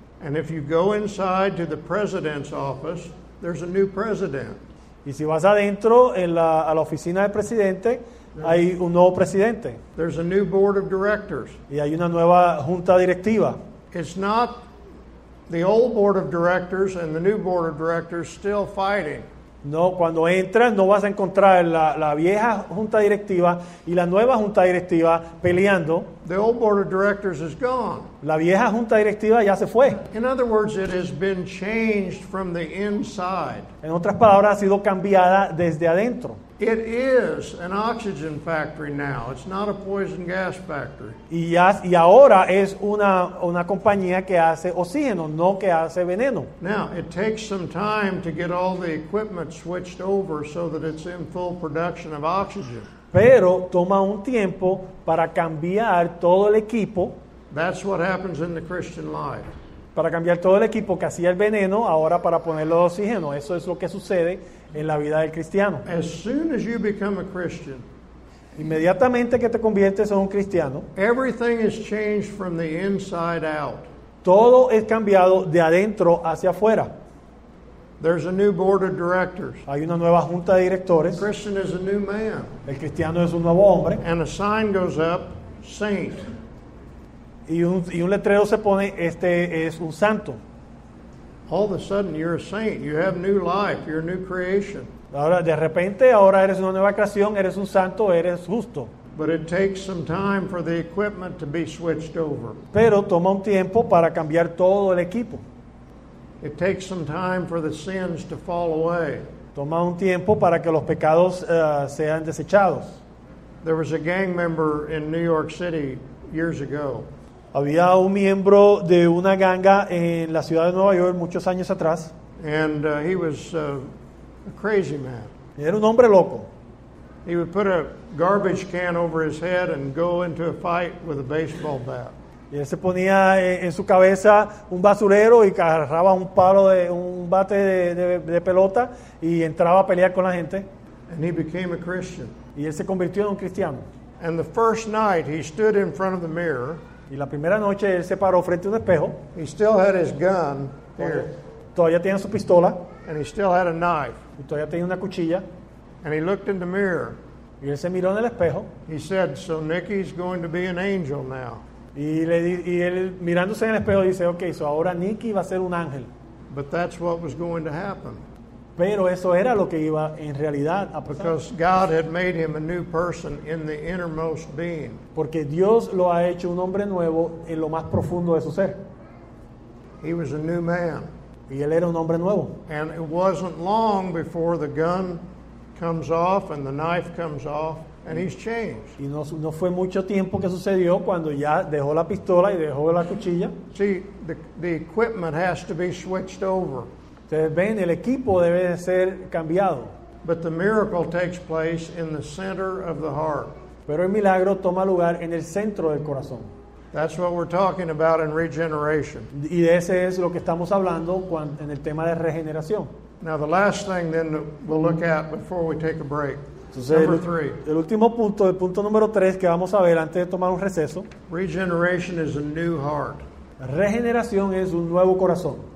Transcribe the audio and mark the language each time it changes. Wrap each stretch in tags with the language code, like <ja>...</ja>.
<en>And if you go inside to the president's office, there's a new president.</en> <es>Y si vas adentro a la oficina del presidente, hay un nuevo presidente.</es> <en>There's a new board of directors.</en> <es>Y hay una nueva junta directiva.</es> <en>It's not the old board of directors and the new board of directors still fighting.</en> <es>No, cuando entras no vas a encontrar la vieja junta directiva y la nueva junta directiva peleando.</es> <en>The old board of directors is gone.</en> <es>La vieja junta directiva ya se fue.</es> <en>In other words, it has been changed from the inside.</en> <es>En otras palabras, ha sido cambiada desde adentro.</es> <en>It is an oxygen factory now. It's not a poison gas factory.</en> <es>Y ahora es una compañía que hace oxígeno, no que hace veneno.</es> <en>Now, it takes some time to get all the equipment switched over so that it's in full production of oxygen.</en> <es>Pero toma un tiempo para cambiar todo el equipo.</es> <en>That's what happens in the Christian life.</en> <es>Para cambiar todo el equipo que hacía el veneno, ahora para ponerlo de oxígeno. Eso es lo que sucede en la vida del cristiano.</es> <en>As soon as you become a Christian,</en> <es>inmediatamente que te conviertes en un cristiano,</es> <en>everything is changed from the inside out.</en> <es>Todo es cambiado de adentro hacia afuera.</es> <en>There's a new board of directors.</en> <es>Hay una nueva junta de directores.</es> <en>The Christian is a new man.</en> <es>El cristiano es un nuevo hombre.</es> <en>And a sign goes up, saint.</en> <es>Y un letrero se pone, este es un santo.</es> <en>All of a sudden you're a saint. You have new life. You're a new creation.</en> <es>Ahora, de repente, ahora eres una nueva creación, eres un santo, eres justo.</es> <en>But it takes some time for the equipment to be switched over.</en> <es>Pero toma un tiempo para cambiar todo el equipo.</es> <en>It takes some time for the sins to fall away.</en> <es>Toma un tiempo para que los pecados sean desechados.</es> <en>There was a gang member in New York City years ago.</en> <es>Había un miembro de una ganga en la ciudad de Nueva York muchos años atrás.</es> <en>And he was a crazy man.</en> <es>Era un hombre loco.</es> <en>He would put a garbage can over his head and go into a fight with a baseball bat.</en> <es>Y él se ponía en su cabeza un basurero y agarraba un palo de un bate de pelota y entraba a pelear con la gente.</es> <en>And he became a Christian.</en> <es>Y él se convirtió en un cristiano.</es> <en>And the first night he stood in front of the mirror.</en> <es>Y la primera noche él se paró frente a un espejo.</es> <en>He still had his gun here.</en> <es>Todavía tenía su pistola.</es> <en>And he still had a knife.</en> <es>Y todavía tenía una cuchilla.</es> <en>And he looked in the mirror.</en> <es>Y él se miró en el espejo.</es> <en>He said, "So Nicky's going to be an angel now."</en> <es>Y él mirándose en el espejo dice,</es> <en>"Okay, so</en> <es>ahora Nicky va a ser un ángel."</es> <en>But that's what was going to happen.</en> <es>Pero eso era lo que iba en realidad a pasar.</es> <en>Because God had made him a new person in the innermost being.</en> <es>Porque Dios lo ha hecho un hombre nuevo en lo más profundo de su ser.</es> <en>He was a new man.</en> <es>Y él era un hombre nuevo.</es> <en>And it wasn't long before the gun comes off and the knife comes off and he's changed.</en> <es>Y no fue mucho tiempo que sucedió cuando ya dejó la pistola y dejó la cuchilla.</es> <en>See, the equipment has to be switched over.</en> <es>Ustedes ven, el equipo debe ser cambiado.</es> <en>But the miracle takes place in the center of the heart.</en> <es>Pero el milagro toma lugar en el centro del corazón.</es> <en>That's what we're talking about in regeneration.</en> <es>Y de ese es lo que estamos hablando en el tema de regeneración.</es> <en>Now the last thing then that we'll look at before we take a break.</en> <es>Entonces,</es> <en>number three.</en> <es>El último punto, el punto número tres que vamos a ver antes de tomar un receso.</es> <en>Regeneration is a new heart.</en> <es>Regeneración es un nuevo corazón.</es>